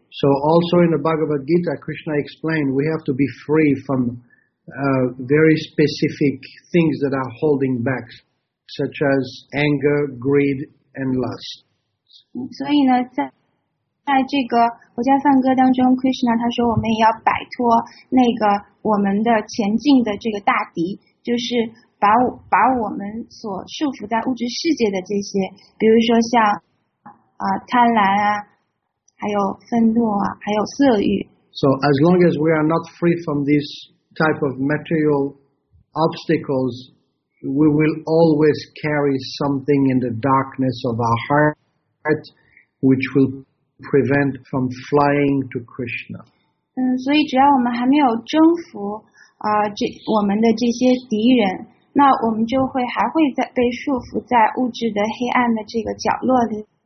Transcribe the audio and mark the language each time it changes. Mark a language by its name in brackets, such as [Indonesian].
[English] So also in the Bhagavad Gita, Krishna explained we have to be free from very specific things that are holding back, such as anger, greed, and lust. [Chinese] 所以呢，在这个佛家梵歌当中 ，Krishna 他说我们也要摆脱那个我们的前进的这个大敌，就是把我们所束缚在物质世界的这些，比如说像。贪婪啊，还有愤怒啊，还有色欲。 [English] So as long as we are not free from this type of material obstacles, we will always carry something in the darkness of our heart, which will prevent from flying to Krishna. [Chinese] 所以只要我们还没有征服我们的这些敌人，那我们就会还会在被束缚在物质的黑暗的这个角落里。